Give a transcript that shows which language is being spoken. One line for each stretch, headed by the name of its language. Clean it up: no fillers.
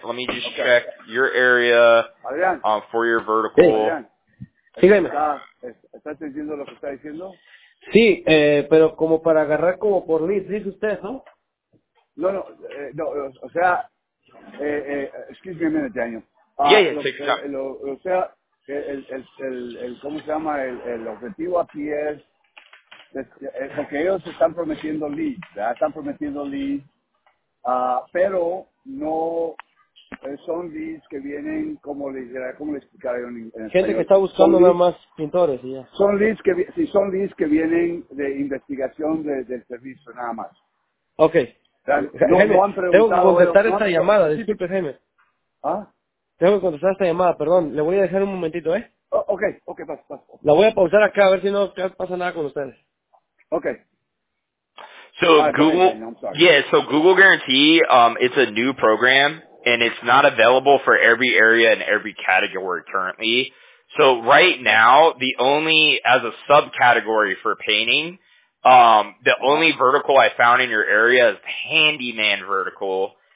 English: Let me just check your area for your vertical.
Spanish: Sí, dime. ¿Estás entendiendo lo que está diciendo? Sí, pero como para agarrar como por lead, dice usted, ¿no? No, o sea,
English: excuse me a minute, Daniel.
Spanish: El objetivo aquí es lo que ellos están prometiendo leads, están prometiendo leads, pero no son leads que vienen como le explicaré en español. Gente que está buscando nada más pintores y ya. Son leads que vienen de investigación del servicio nada más.
English: Okay.
Spanish: Tengo que contestar esta llamada, disculpe, Jaime. ¿Ah? Tengo que contestar esta llamada, perdón. Le voy a dejar un momentito, ¿eh? Okay, pasa. La voy a pausar acá a ver si no pasa nada con ustedes.
English: Okay. So Google, Google Guarantee, it's a new program, and it's not available for every area and every category currently. So right now, the only, as a subcategory for painting, the only vertical I found in your area is the handyman vertical.